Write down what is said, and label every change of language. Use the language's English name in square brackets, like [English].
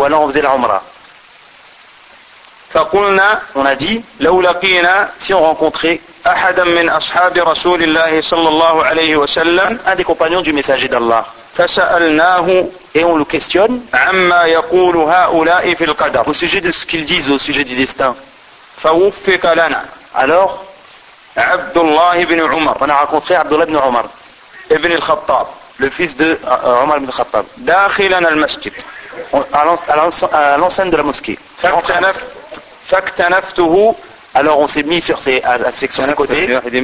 [Arabic] ولا [French] on faisait العمرة [Arabic] فقلنا [French] on a dit [Arabic] لو لقينا [French] si on rencontrait [Arabic] أحدا من أصحاب رسول الله صلى الله عليه وسلم [French] un des compagnons du messager d'Allah [Arabic] فسألناه [French] et on le questionne [Arabic] عما يقول هؤلاء في القدر [French] au sujet de ce qu'ils disent au sujet du destin [Arabic] فوفق لنا [French] alors [Arabic] عبد الله بن عمر [French] on a rencontré عبد الله بن عمر [Arabic] ابن الخطاب [French] le fils de عمر بن الخطاب [Arabic] داخلا المسجد [French] à l'enceinte de la mosquée [Arabic] فاكتنفته [French] alors on s'est mis sur ses côtés